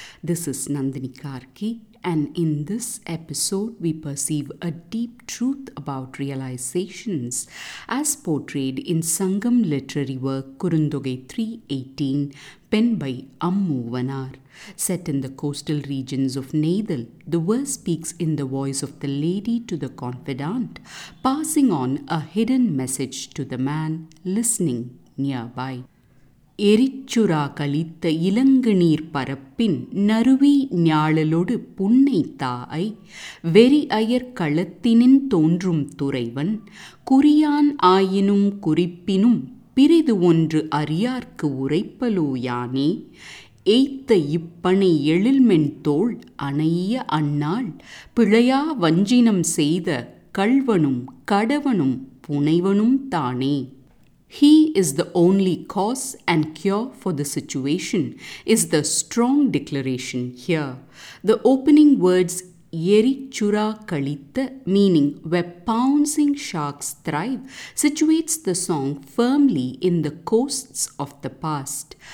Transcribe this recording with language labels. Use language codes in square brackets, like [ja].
[en] This is Nandini Karki, and in this episode we perceive a deep truth about realizations as portrayed in Sangam literary work Kurundogai 318, penned by Ammu Vanar. Set in the coastal regions of Nadal, the verse speaks in the voice of the lady to the confidant, passing on a hidden message to the man listening nearby. [ta] எரிச்சுரா கழித்த இளங்கநீர் பரப்பின் நறுவி ஞாழலொடு புன்னை தாய் வெறி அயர் களத்தினின் தோன்றும் துறைவன் குறியான் ஆயினும் குறிப்பினும் பிரிது ஒன்று அறியார்க்கு உரைப்பலோ யானே எய்த்த இப்பனை எழில்மென்தோள் அணைய அன்னாள் பிழையா வஞ்சினம் செய்த கள்வனும் கடவனும் புனைவனும் தானே. [en] He is the only cause and cure for the situation is the strong declaration here. The opening words Yerichura Kalitta, meaning where pouncing sharks thrive, situates the song firmly in the coasts of the past.